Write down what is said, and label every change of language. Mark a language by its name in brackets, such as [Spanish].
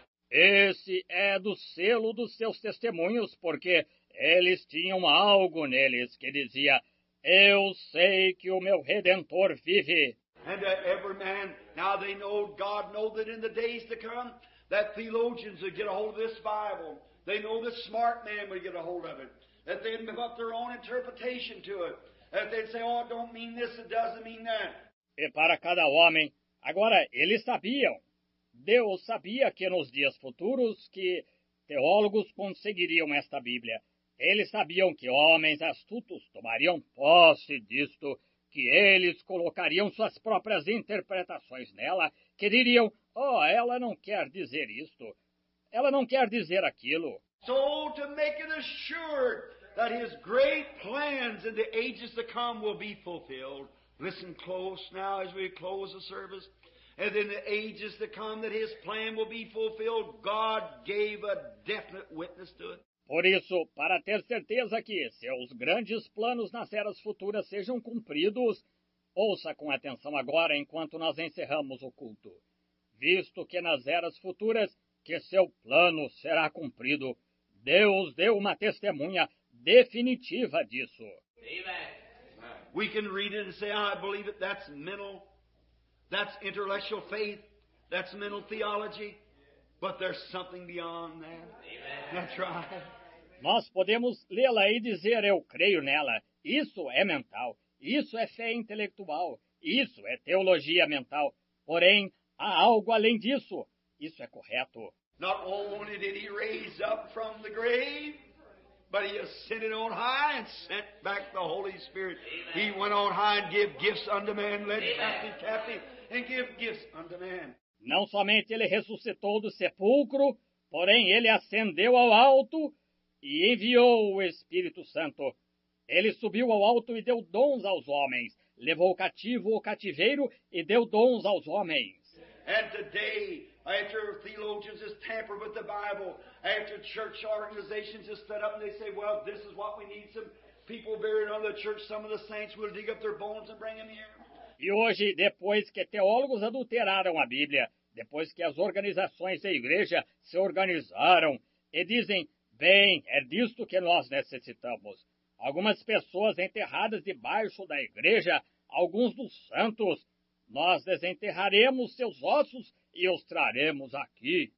[Portuguese] Esse é do selo dos seus testemunhos, porque eles tinham algo neles que dizia: eu sei que o meu Redentor vive. [English] And every man, now they know, God know that in the days to come, that theologians would get a hold of this Bible. They know the smart man would get a hold of it. That they'd give up their own interpretation to it. That they'd say, oh, it don't mean this, it doesn't mean that. [Portuguese] E para cada homem, agora eles sabiam. Deus sabia que nos dias futuros que teólogos conseguiriam esta Bíblia. Eles sabiam que homens astutos tomariam posse disto, que eles colocariam suas próprias interpretações nela, que diriam, oh, ela não quer dizer isto, ela não quer dizer aquilo. [English] So to make it assured that his great plans in the ages to come will be fulfilled. Listen close now as we close the service. And in the ages to come that his plan will be fulfilled, God gave a definite witness to it. [Portuguese] Por isso, para ter certeza que seus grandes planos nas eras futuras sejam cumpridos, ouça com atenção agora enquanto nós encerramos o culto. Visto que nas eras futuras que seu plano será cumprido, Deus deu uma testemunha definitiva disso. [English] Amen. We can read it and say, I believe it, that's mental, that's intellectual faith, that's mental theology. But there's something beyond that. Amen. That's right. [Portuguese] Nós podemos lê-la e dizer, eu creio nela. Isso é mental. Isso é fé intelectual. Isso é teologia mental. Porém, há algo além disso. Isso é correto. [English] Not only did he raise up from the grave, but he ascended on high and sent back the Holy Spirit. Amen. He went on high and gave gifts unto man. Led captive captive and give gifts unto man. [Portuguese] Não somente ele ressuscitou do sepulcro, porém ele ascendeu ao alto e enviou o Espírito Santo. Ele subiu ao alto e deu dons aos homens, levou o cativo ao cativeiro e deu dons aos homens. [English] And today, after theologians have tampered with the Bible, after church organizations have stood up and they say, well, this is what we need, some people buried under the church, some of the saints will dig up their bones and bring them here. [Portuguese] E hoje, depois que teólogos adulteraram a Bíblia, depois que as organizações da igreja se organizaram e dizem, bem, é disto que nós necessitamos. Algumas pessoas enterradas debaixo da igreja, alguns dos santos, nós desenterraremos seus ossos e os traremos aqui.